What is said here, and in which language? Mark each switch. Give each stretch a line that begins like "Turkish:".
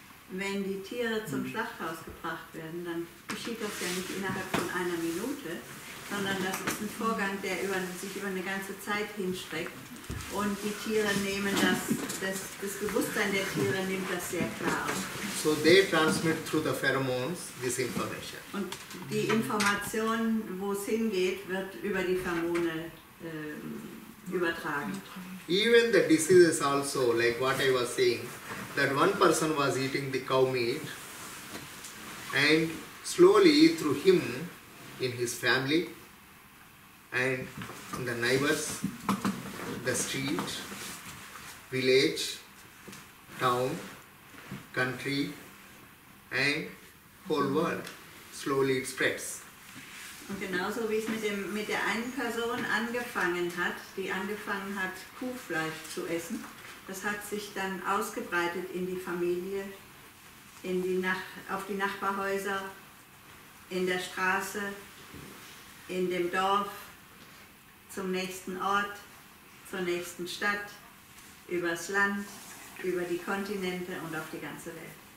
German: Wenn die Tiere zum Schlachthaus gebracht werden, dann geschieht das ja nicht innerhalb von einer Minute, sondern das ist ein Vorgang, der über, sich über eine ganze Zeit hinstreckt. Und die Tiere nehmen das, das Bewusstsein der Tiere nimmt das sehr klar auf.
English: So they transmit through the pheromones this information.
German: Und die Information, wo es hingeht, wird über die Pheromone übertragen.
English: Even the diseases also, like what I was saying, that one person was eating the cow meat and slowly through him, in his family and in the neighbors, the street, village, town, country and whole world, slowly it spreads.
German: Und genauso wie es mit der einen Person angefangen hat, die angefangen hat, Kuhfleisch zu essen, das hat sich dann ausgebreitet in die Familie, in die auf die Nachbarhäuser, in der Straße, in dem Dorf, zum nächsten Ort, zur nächsten Stadt, übers Land, über die Kontinente und auf die ganze Welt.